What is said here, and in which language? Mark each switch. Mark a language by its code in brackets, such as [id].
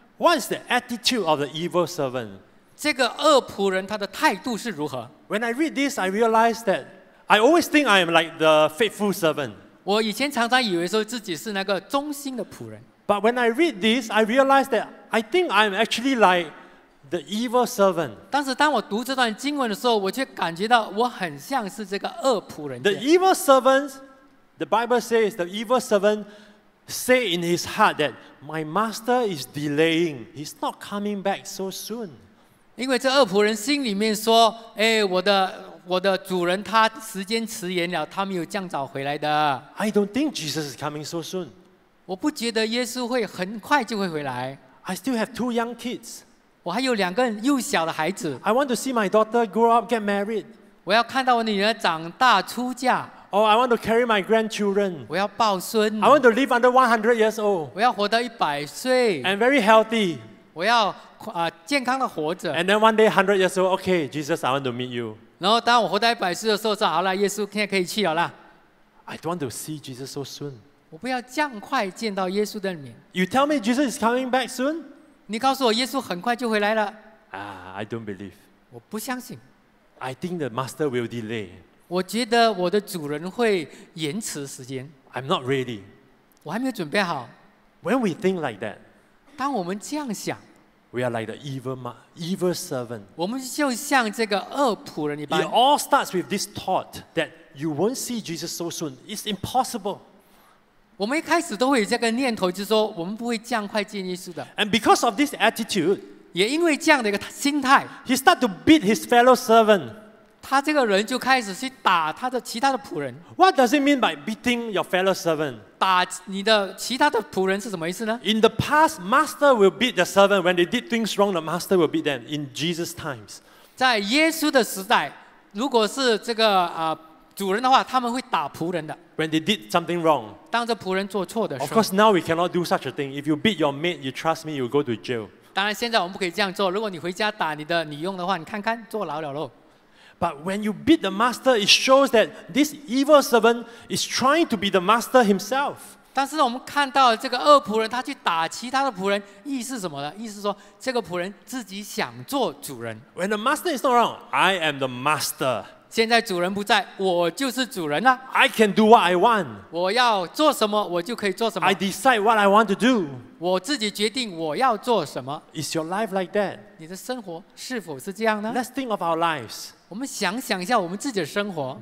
[en] What is the attitude of the evil servant? [zh] 这个恶仆人他的态度是如何？ [en] When I read this, I realize that I always think I am like the faithful servant. [zh] 我以前常常以为说自己是那个忠心的仆人。 [en] But when I read this, I realize that I think I am actually like the evil servant. [zh] 但是当我读这段经文的时候，我却感觉到我很像是这个恶仆人。 [en] The evil servant, the Bible says, the evil servant say in his heart that my master is delaying. He's not coming back so soon. [zh] 因为这恶仆人心里面说，哎，我的主人他时间迟延了，他没有降早回来的。 [en] I don't think Jesus is coming so soon. [zh] 我不觉得耶稣会很快就会回来。 [en] I still have two young kids. [zh] 我还有两个幼小的孩子。 [en] I want to see my daughter grow up, get married. [zh] 我要看到我女儿长大出嫁。 [en] Oh, I want to carry my grandchildren. [zh] 我要抱孙。 [en] I want to live under 100 years old. [zh] 我要活到100岁。 [en] And very healthy. [zh] 我要健康的活着。 [en] And then one day 100 years old, okay, Jesus, I want to meet you. [zh] 然后当我活到100岁的时候，说好了，耶稣现在可以去了啦。 [en] I don't want to see Jesus so soon. [zh] 我不要这样快见到耶稣的面。 [en] You tell me Jesus is coming back soon? [zh] 你告诉我耶稣很快就回来了。 [en] I don't believe. [zh] 我不相信。 [en] I think the master will delay. [zh] 我觉得我的主人会延迟时间。 [en] I'm not ready. [zh] 我还没有准备好。 [en] When we think like that, [zh] 当我们这样想， [en] we are like the evil servant. [zh] 我们就像这个恶仆人一般。 [en] It all starts with this thought that you won't see Jesus so soon. It's impossible. [zh] 我们一开始都会有这个念头，就是说我们不会这样快见耶稣的。 [en] And because of this attitude. [zh] 也因为这样的一个心态， [en] he start to beat his fellow servant. [zh] 他这个人就开始去打他的其他的仆人。 [en] What does it mean by beating your fellow servant? [zh] 打你的其他的仆人是什么意思呢？ [en] In the past, master will beat the servant. When they did things wrong, the master will beat them. In Jesus' times, [zh] 在耶稣的时代，如果是这个主人的话，他们会打仆人的。 [en] When they did something wrong, [zh] 当这仆人做错的时候， [en] of course now we cannot do such a thing. If you beat your mate, you trust me, you'll go to jail. [zh] 当然现在我们不可以这样做，如果你回家打你的女佣的话，你看看坐牢了咯。 [en] But when you beat the master, it shows that this evil servant is trying to be the master himself. [zh] 但是我们看到这个恶仆人他去打其他的仆人，意思什么呢？意思说这个仆人自己想做主人。 [en] When the master is not wrong, I am the master. [zh] 现在主人不在，我就是主人了。 [en] I can do what I want. [zh] 我要做什么我就可以做什么。 [en] I decide what I want to do. [zh] 我自己决定我要做什么。 [en] Is your life like that? [zh] 你的生活是否是这样呢？ [en] Let's think of our lives. [zh] 我们想想一下我们自己的生活。